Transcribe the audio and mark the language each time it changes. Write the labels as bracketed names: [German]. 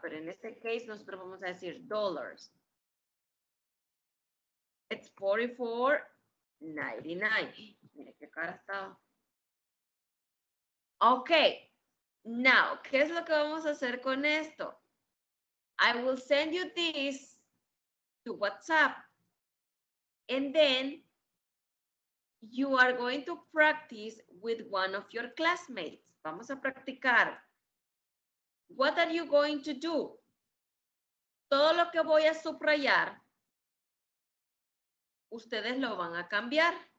[Spanish] Pero en este case nosotros vamos a decir dollars. [English] It's $44.99. [Spanish] Mira qué cara está. Okay. Now, ¿qué es lo que vamos a hacer con esto? [English] I will send you this to WhatsApp. And then you are going to practice with one of your classmates. [Spanish] Vamos a practicar. [English] What are you going to do? [Spanish] Todo lo que voy a subrayar, ustedes lo van a cambiar.